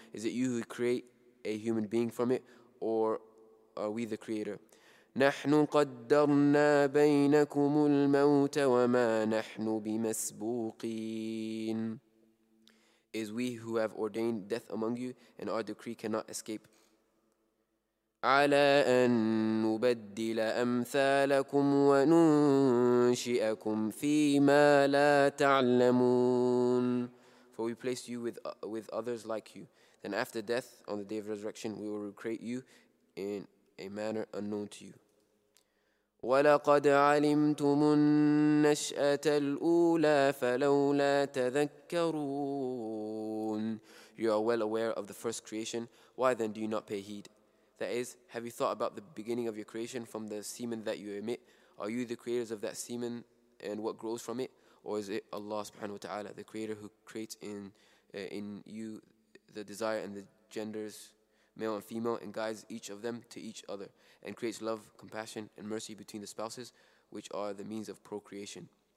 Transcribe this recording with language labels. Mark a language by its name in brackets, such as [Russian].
[English] Is it you who create a human being from it, or are we the creator? [Arabic] نَحْنُ قَدَّرْنَا بَيْنَكُمُ الْمَوْتَ وَمَا نَحْنُ بِمَسْبُوقِينَ. [English] Is we who have ordained death among you, and our decree cannot escape. [Arabic] على أن نبدل أمثالكم وننشئكم فيما لا تعلمون. [English] For we place you with others like you. Then after death, on the day of resurrection, we will recreate you in a manner unknown to you. [Arabic] ولقد علمتم النشأة الأولى فلولا تذكرون. [English] You are well aware of the first creation. Why then do you not pay heed? That is, have you thought about the beginning of your creation from the semen that you emit? Are you the creators of that semen and what grows from it? Or is it Allah subhanahu wa ta'ala, the creator who creates in you the desire and the genders, male and female, and guides each of them to each other, and creates love, compassion, and mercy between the spouses, which are the means of procreation?